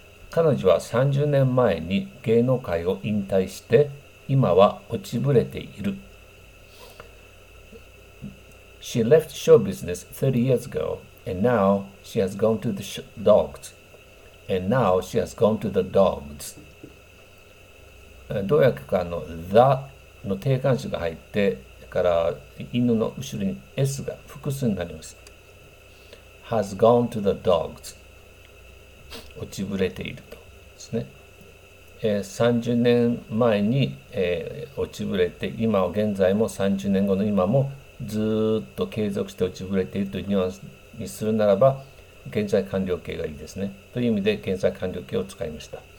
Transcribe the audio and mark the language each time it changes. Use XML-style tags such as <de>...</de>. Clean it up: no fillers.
<ja>彼女は30年前に芸能界を引退して、今は落ちぶれている。</ja> <en>She left show business 30 years ago, and now she has gone to the dogs. And now she has gone to the dogs.</en> <ja>どうやくか、the の定冠詞が入って、から犬の後ろに S が複数になります。</ja> <en>Has gone to the dogs.</en> <ja>落ちぶれているとですね。30年前に、落ちぶれて、今は現在も30年後の今もずっと継続して落ちぶれているというニュアンスにするならば、現在完了形がいいですね。という意味で、現在完了形を使いました。</ja>